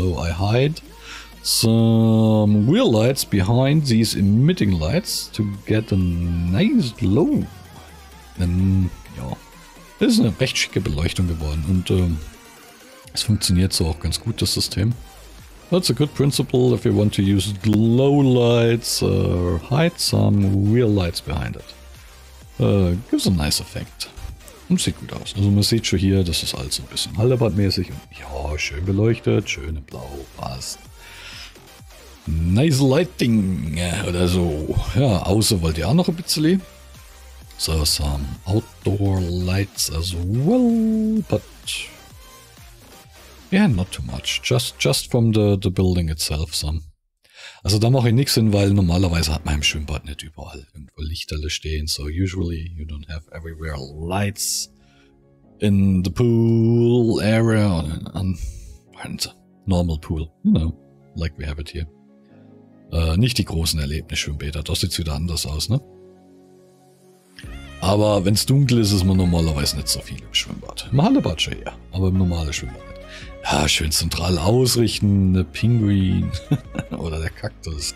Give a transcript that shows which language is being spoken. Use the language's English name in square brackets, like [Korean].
[English] So, I hide some wheel lights behind these emitting lights to get a nice glow. [German] Denn, ja, das ist eine recht schicke Beleuchtung geworden und es funktioniert so auch ganz gut, das System. [English] That's a good principle if you want to use glow lights or hide some wheel lights behind it. Gives a nice effect. [German] Und sieht gut aus. Also man sieht schon hier, das ist alles ein bisschen Hallebad-mäßig. Und ja, schön beleuchtet, schön in blau, passt. [English] Nice lighting, [German] oder so. Ja, außer wollt ihr auch noch ein bisschen. [English] So, some outdoor lights as well, but yeah, not too much. Just from the building itself some. [German] Also da mache ich nichts hin, weil normalerweise hat man im Schwimmbad nicht überall irgendwo Lichterle stehen. [English] So usually you don't have everywhere lights in the pool area or in a normal pool, you know, like we have it here. [German] Nicht die großen Erlebnisschwimmbäder, das sieht wieder anders aus, ne? Aber wenn es dunkel ist, ist man normalerweise nicht so viel im Schwimmbad. Im Hallebad schon eher, aber im normalen Schwimmbad. Ja, schön zentral ausrichten, der Pinguin oder der Kaktus.